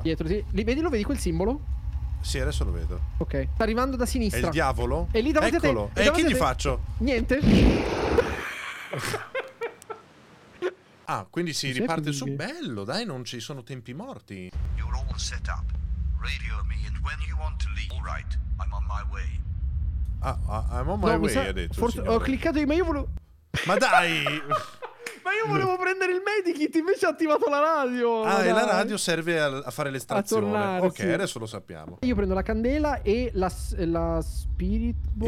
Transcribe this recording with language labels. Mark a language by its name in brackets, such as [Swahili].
[Italian] Dietro, sì. Lì, vedi, lo vedi quel simbolo? Sì, adesso lo vedo. Ok. Sta arrivando da sinistra. È il diavolo? È lì davanti. Eccolo. A te. E che gli faccio? Niente. Ah, quindi si c'è riparte su. Bello, dai, non ci sono tempi morti. [English] You're all set up. Radio me and when you want to leave. All right, I'm on my way. Ah, I'm on my way, [Italian] ha detto. Forse ho cliccato, ma io volevo... Ma dai! Ma io volevo prendere il medikit, invece ha attivato la radio. Ah, dai. E la radio serve a fare l'estrazione. A tornare, ok, sì. Adesso lo sappiamo. Io prendo la candela e la spirit box.